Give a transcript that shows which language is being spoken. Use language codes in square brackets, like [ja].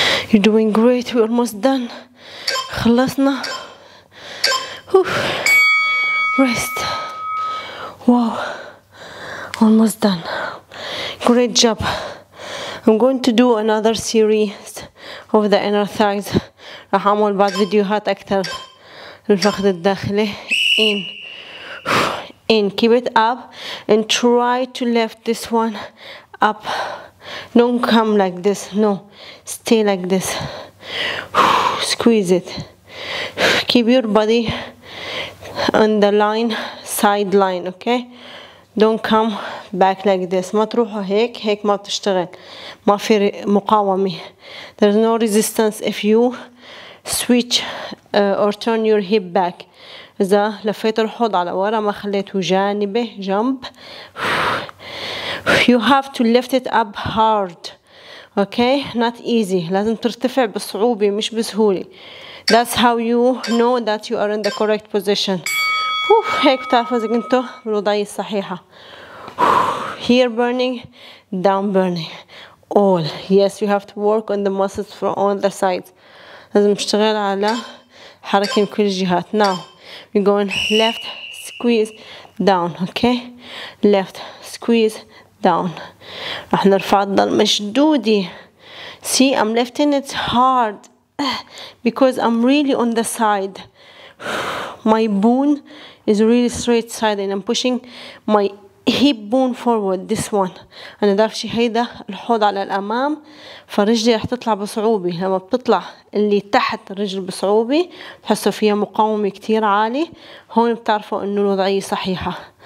[en] You're doing great. We're almost done. [ar] خلصنا. [en] Rest. Wow. Almost done. Great job. I'm going to do another series of the inner thighs. [ar] راح أعمل بعض فيديوهات أكثر للفخذ الداخلي. [en] In. In. Keep it up and try to lift this one up. Don't come like this. No. Stay like this. Squeeze it. Keep your body on the line, side line, okay? Don't come back like this. [ar] ما تروحوا هيك, هيك ما بتشتغل. ما في مقاومة. [en] There's no resistance if you switch or turn your hip back. [ar] إذا لفيت الحوض على ورا ما خليته جانبي جنب. [en] You have to lift it up hard. Okay? Not easy. [ar] لازم ترتفع بصعوبة مش بسهولة. [en] That's how you know that you are in the correct position. [ar] هيك بتعرفوا إذا كنتوا بالوضعية الصحيحة. [en] Here burning, down burning. All. Yes, you have to work on the muscles from all the sides. [ar] لازم نشتغل على حركة كل الجهات. [en] Now, we're going left, squeeze, down. Okay? Left, squeeze, down. [ar] رح نرفع الضل مشدودي. [en] See, I'm lifting it hard because I'm really on the side. My bone is really straight side and I'm pushing my hip bone forward, this one. [ar] أنا دافش هيدا الحوض على الأمام فرجلي رح تطلع بصعوبة. لما بتطلع اللي تحت الرجل بصعوبة تحسوا فيها مقاومة كتير عالي. هون بتعرفوا إنه الوضعية صحيحة.